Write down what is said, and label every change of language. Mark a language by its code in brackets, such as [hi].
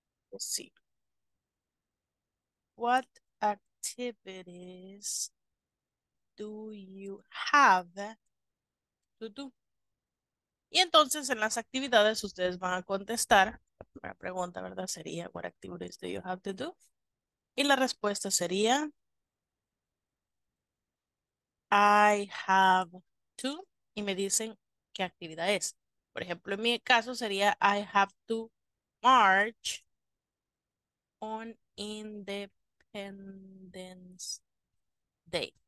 [en] Let's see. What activities do you have to do? [es] Y entonces en las actividades ustedes van a contestar, la pregunta, ¿verdad? [en] Sería, what activities do you have to do? [es] Y la respuesta sería, [en] I have to, [es] y me dicen qué actividad es. Por ejemplo, en mi caso sería, [en] I have to march on Independence Day.